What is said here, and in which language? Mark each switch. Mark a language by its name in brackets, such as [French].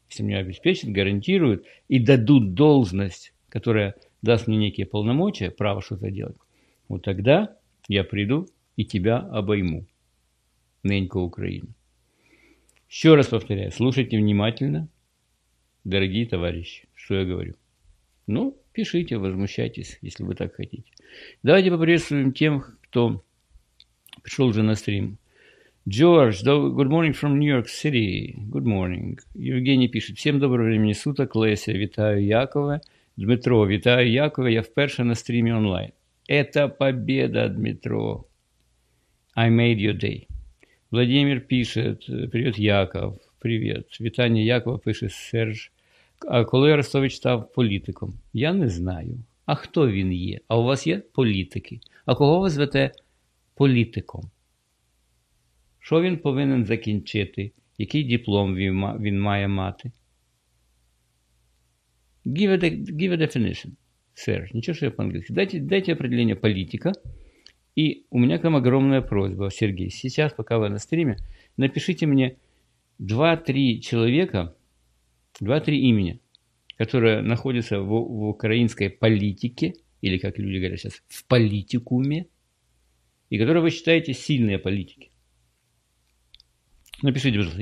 [Russian] Если меня обеспечат, гарантируют и дадут должность, которая даст мне некие полномочия, право что-то делать, вот тогда я приду и тебя обойму, нынька Украина. Еще раз повторяю, слушайте внимательно, дорогие товарищи, что я говорю. Ну, пишите, возмущайтесь, если вы так хотите. Давайте поприветствуем тем, кто пришел уже на стрим. [English] Джордж, good morning from New York City. Good morning. [Russian] Евгений пишет, всем доброго времени суток, Леся, [Ukrainian] витаю Якова. Дмитро, витаю Якова, я вперше на стриме онлайн. [Russian] Это победа, [Ukrainian] Дмитро. [English] I made your day. [Russian] Владимир пишет, привет, Яков, привет. [Ukrainian] Вітання Якова, пише Серж. А коли Арестович став політиком? Я не знаю. А хто він є? А у вас є політики? А кого ви звете політиком? Що він повинен закінчити? Який диплом він має мати? [English] Give a definition, Серж. [Russian] Ничего, что я по-английски. Дайте определение политика. И у меня к вам огромная просьба, Сергей. Сейчас, пока вы на стриме, напишите мне 2-3 человека, 2-3 имени, которые находятся в украинской политике, или, как люди говорят сейчас, в политикуме, и которые вы считаете сильные политики. Напишите, пожалуйста.